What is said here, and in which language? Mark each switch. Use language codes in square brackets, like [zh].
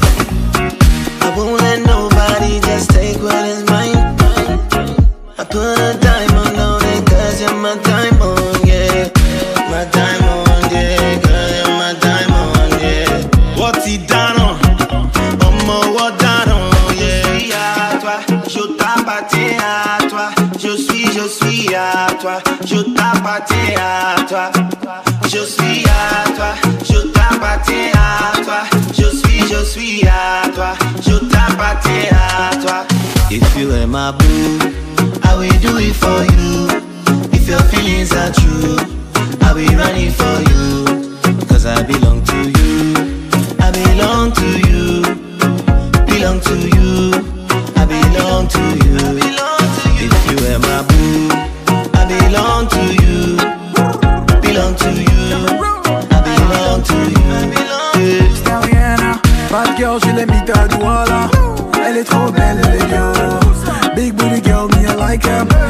[en] Yeah. I won't let nobody just take what is mine. I put a diamond on it, cause you're my diamond, yeah. My diamond, yeah, girl, you're my diamond, yeah. What he done on? Omo, what done on, yeah. [fr] Je suis à toi, je t'appartiens à toi. Je suis à toi, je t'appartiens à toi. Je suis à toi, je t'appartiens à toi. Je suis à toi, je t'appartiens à toi. [en] If you are my boo, I will do it for you. If your feelings are true, I will run it for you. Cause I belong to you. I belong to you. Belong to you. I belong to you. If you are my boo, I belong to you. Belong to you. I belong to you. [fr] C'est rien, hein. [en] Bad girl, [fr] je l'ai mis de douala. Elle est trop belle, elle est yo. [en] Big booty girl, me I like him.